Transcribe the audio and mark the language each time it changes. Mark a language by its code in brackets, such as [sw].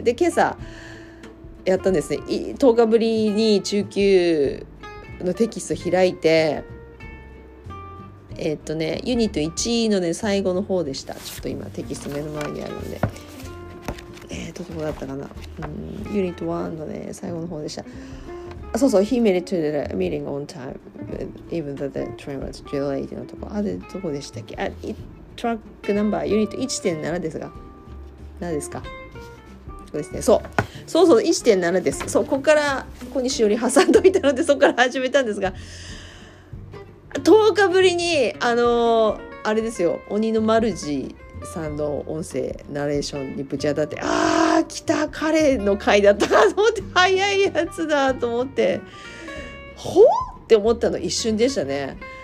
[ja] で、今朝、やったんですね。10日ぶりに中級のテキスト開いて、ユニット1のね、最後の方でした。ちょっと今、テキスト目の前にあるので。どこだったかな、ユニット1のね、最後の方でした。あ、そうそう、 [en] He made it to the meeting on time, even though the train was delayed [ja] のとこ。あ、で、どこでしたっけ、あ、トラックナンバー、ユニット 1.7 ですが。何ですか、そうですね、そう。そうそう、1.7 です。そう、ここから、小西より挟んどいたので、そこから始めたんですが。 10日ぶりにあれですよ、鬼のマルジさんの音声ナレーションにぶち当たって、あー来た、彼の回だったと思って、早いやつだと思って、ほーって思ったの一瞬でしたね。